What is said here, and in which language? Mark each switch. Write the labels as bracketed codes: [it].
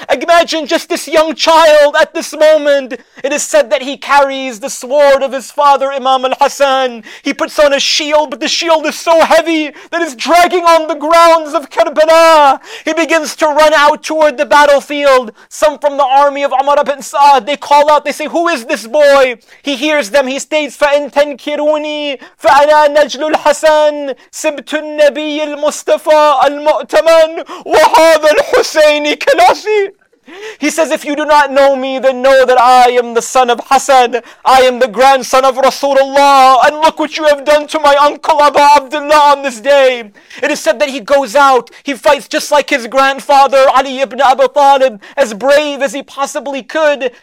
[en] Imagine just this young child at this moment. It is said that he carries the sword of his father Imam al-Hassan. He puts on a shield, but the shield is so heavy that it's dragging on the grounds of Karbala. He begins to run out toward the battlefield. Some from the army of Umar ibn Sa'd, they call out, they say, who is this boy? [ar] He hears them, he states, فَإِن تَنْكِرُونِي فَأَنَا نَجْلُ الْحَسَنِ سِبْتُ النَّبِيِّ الْمُصْطَفَى الْمُؤْتَمَنِ وَهَذَا الْحُسَيْنِ كَلَاسِي. [en] He says, if you do not know me, then know that I am the son of Hassan. I am the grandson of Rasulullah. And look what you have done to my uncle Aba Abdullah on this day. It is said that he goes out. He fights just like his grandfather Ali ibn Abi Talib, as brave as he possibly could.